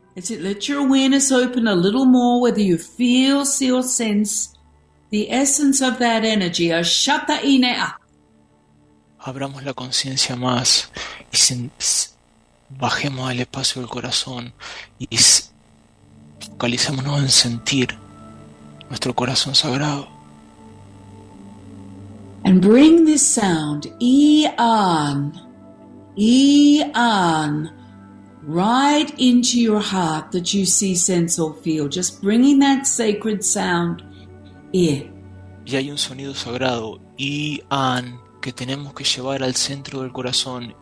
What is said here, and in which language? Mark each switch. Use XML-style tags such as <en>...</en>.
<en>Let your awareness open a little more, whether you feel, see, or sense the essence of that energy. Ashata ine'a.</en> <es>Abramos la conciencia más y bajemos al espacio del corazón y focalizémonos en sentir nuestro corazón sagrado.</es> <en>And bring this sound, ian, ian, right into your heart that you see, sense, or feel. Just bringing that sacred sound in.</en> <es>Y hay un sonido sagrado, ian, que tenemos que llevar al centro del corazón.</es>